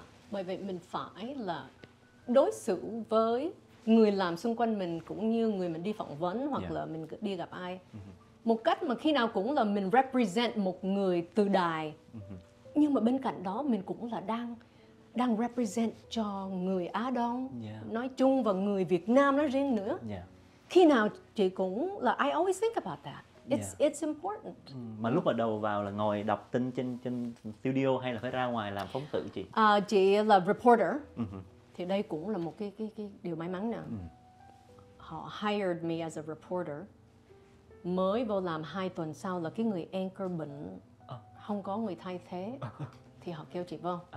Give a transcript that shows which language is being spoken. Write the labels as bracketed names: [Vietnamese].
[Vietnamese] Bởi vậy mình phải là đối xử với người làm xung quanh mình cũng như người mình đi phỏng vấn hoặc là mình đi gặp ai. Một cách mà khi nào cũng là mình represent một người từ đài. Nhưng mà bên cạnh đó mình cũng là đang represent cho người Á Đông nói chung và người Việt Nam nói riêng nữa. Khi nào chị cũng là [English] I always think about that. It's important. [Vietnamese] Mà lúc mà đầu vào là ngồi đọc tin trên studio hay là phải ra ngoài làm phóng sự chị? Chị là reporter. Thì đây cũng là một cái điều may mắn nè. Họ [English] hired me as a reporter. [Vietnamese] Mới vô làm 2 tuần sau là cái người anchor bệnh, không có người thay thế, thì họ kêu chị vô.